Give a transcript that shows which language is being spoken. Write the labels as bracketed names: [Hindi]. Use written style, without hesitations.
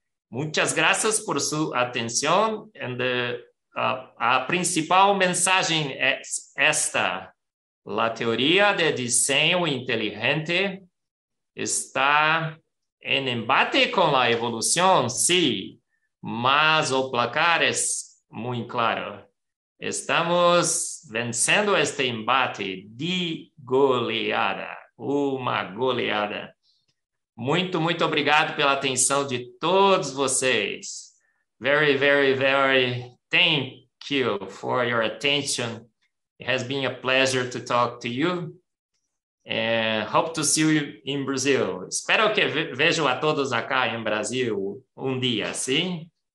[Portuguese] Muitas graças por sua atenção. A principal mensagem é esta: a teoria de desenho inteligente está em embate com a evolução, sim, mas o placar é muito claro. Estamos vencendo este embate de goleada, uma goleada. Muito, muito obrigado pela atenção de todos vocês. [English] Very, very, very. Thank you for your attention. It has been a pleasure to talk to you. And hope to see you in Brazil. [Portuguese] Espero que ve vejo a todos acá em Brasil um dia, sim?